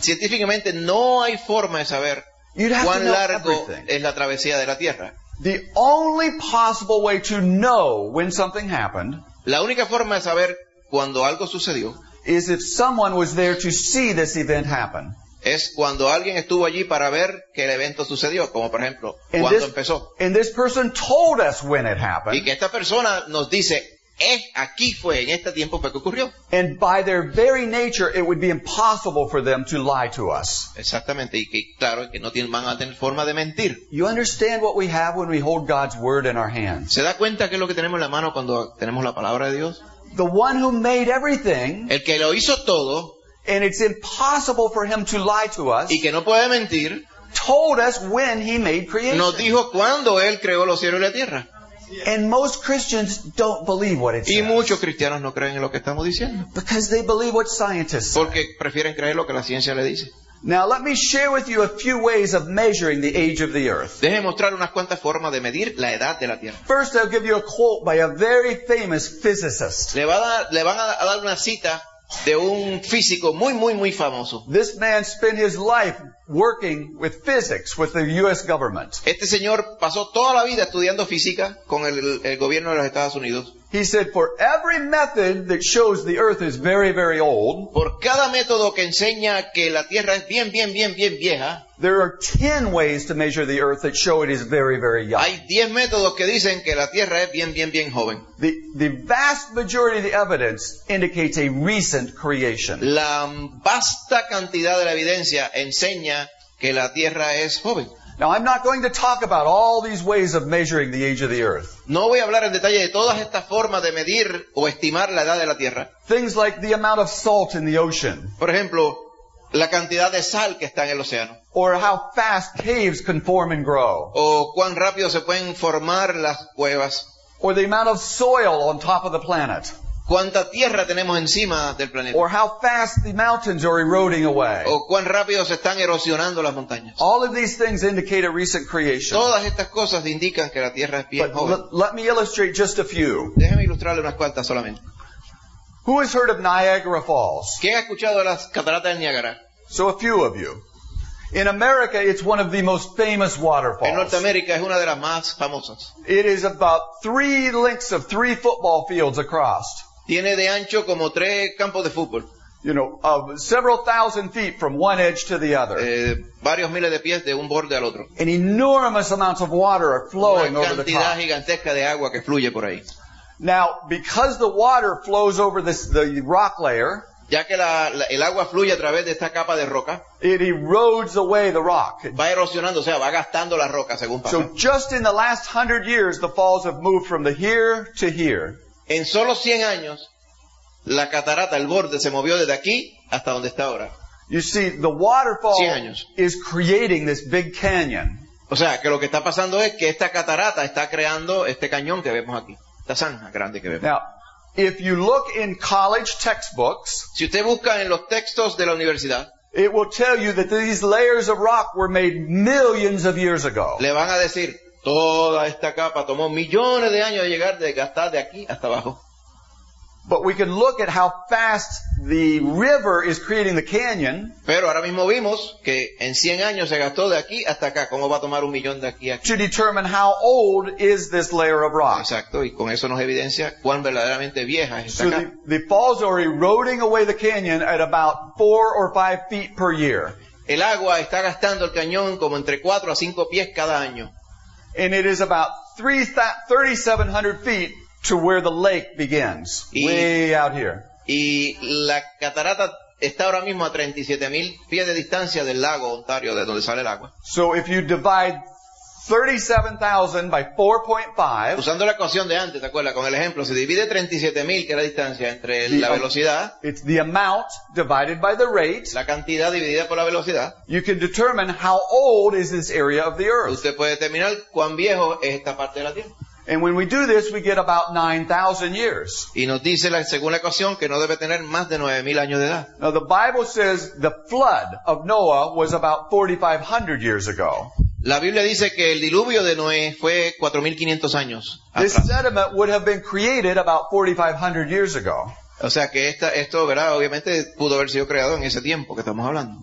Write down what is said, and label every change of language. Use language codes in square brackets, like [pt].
[es] Científicamente no hay forma de saber cuán largo es la travesía de la Tierra. [en] The only possible way to know when something happened, [es] la única forma de saber cuando algo sucedió, [en] is if someone was there to see this event happen. [es] Es cuando alguien estuvo allí para ver que el evento sucedió, como por ejemplo, cuando empezó. [en] And this person told us when it happened. [es] Y que esta persona nos dice, aquí fue, en este tiempo fue que ocurrió. [en] And by their very nature, it would be impossible for them to lie to us. [es] Exactamente, y que claro, que no van a tener forma de mentir. [en] You understand what we have when we hold God's word in our hands? [es] ¿Se da cuenta qué es lo que tenemos en la mano cuando tenemos la palabra de Dios? [en] The one who made everything. [es] El que lo hizo todo. [en] And it's impossible for him to lie to us. [es] Y que no puede mentir. [en] Told us when he made creation. [es] Nos dijo cuando él creó los cielos y la tierra. [en] And most Christians don't believe what it says. [es] Y muchos cristianos no creen en lo que estamos diciendo. [en] Because they believe what scientists say. [es] Porque prefieren creer lo que la ciencia le dice. [en] Now let me share with you a few ways of measuring the age of the earth. [es] Déjeme mostrar unas cuantas formas de medir la edad de la Tierra. [en] First I'll give you a quote by a very famous physicist. [es] Le van a dar una cita de un físico muy, muy, muy famoso. [en] This man spent his life working with physics with the U.S. government. [es] Este señor pasó toda la vida estudiando física con el gobierno de los Estados Unidos. [en] He said, for every method that shows the earth is very, very old, [es] por cada método que enseña que la Tierra es bien, bien, bien, bien vieja, [en] there are 10 ways to measure the earth that show it is very, very young. [es] Hay 10 métodos que dicen que la Tierra es bien, bien, bien joven. [en] The vast majority of the evidence indicates a recent creation. [es] La vasta cantidad de la evidencia enseña que la Tierra es joven. [en] Now, I'm not going to talk about all these ways of measuring the age of the earth. [es] No voy a hablar en detalle de todas estas formas de medir o estimar la edad de la Tierra. [en] Things like the amount of salt in the ocean. [es] Por ejemplo, la cantidad de sal que está en el océano. [en] Or how fast caves can form and grow. [es] O cuán rápido se pueden formar las cuevas. [en] Or the amount of soil on top of the planet. [es] Cuánta tierra tenemos encima del planeta. [en] Or how fast the mountains are eroding away. [es] O cuán rápido se están erosionando las montañas. [en] All of these things indicate a recent creation. [es] Todas estas cosas indican que la Tierra es bien joven. [en] Let me illustrate just a few. [es] Déjeme ilustrarle unas cuantas solamente. [en] Who has heard of Niagara Falls? [es] ¿Quién ha escuchado de las cataratas del Niágara? [en] So a few of you. In America, it's one of the most famous waterfalls. [es] En Norteamérica es una de las más famosas. [en] It is about three lengths of three football fields across. [es] Tiene de ancho como tres campos de fútbol. [en] You know, several thousand feet from one edge to the other. [es] Varios miles de pies de un borde al otro. [en] And enormous amounts of water are flowing over the top. [es] Una cantidad gigantesca de agua que fluye por ahí. [en] Now, because the water flows over this, the rock layer, [es] ya que el agua fluye a través de esta capa de roca, [en] it erodes away the rock. [es] Va erosionando, o sea, va gastando la roca según pasa. [en] So just in the last 100 years, the falls have moved from the here to here. [es] En solo 100 años, la catarata, el borde, se movió desde aquí hasta donde está ahora. [en] You see, the waterfall is creating this big canyon. [es] O sea, que lo que está pasando es que esta catarata está creando este cañón que vemos aquí. Esta zanja grande que vemos. [en] Now, if you look in college textbooks, [es] si usted busca en los textos de la universidad, [en] it will tell you that these layers of rock were made millions of years ago. [es] Le van a decir, toda esta capa tomó millones de años de llegar, de gastar de aquí hasta abajo. [en] But we can look at how fast the river is creating the canyon. [es] Pero ahora mismo vimos que en 100 años se gastó de aquí hasta acá. ¿Cómo va a tomar un millón de aquí a aquí? [en] To determine how old is this layer of rock. [es] Exacto, y con eso nos evidencia cuán verdaderamente vieja es esta capa. [en] The falls are eroding away the canyon at about 4 or 5 feet per year. [es] El agua está gastando el cañón como entre 4 a 5 pies cada año. [en] And it is about 3,700 feet to where the lake begins, way out here. [es] Y la catarata está ahora mismo a 37,000 pies de distancia del lago Ontario, de donde sale el agua. [en] So if you divide 37,000 by 4.5, [es] usando la ecuación de antes, ¿te acuerdas? Con el ejemplo, se divide 37,000, que es la distancia, entre la velocidad. [en] It's the amount divided by the rate. [es] La cantidad dividida por la velocidad. [en] You can determine how old is this area of the earth. [es] Usted puede determinar cuán viejo es esta parte de la tierra. [en] And when we do this, we get about 9,000 years. [es] Y nos dice la segunda ecuación que no debe tener más de 9,000 años de edad. [en] Now the Bible says the flood of Noah was about 4,500 years ago. [es] La Biblia dice que el diluvio de Noé fue 4,500 años atrás. [en] This sediment would have been created about 4,500 years ago. [es] O sea que esto, ¿verdad? Obviamente pudo haber sido creado en ese tiempo que estamos hablando.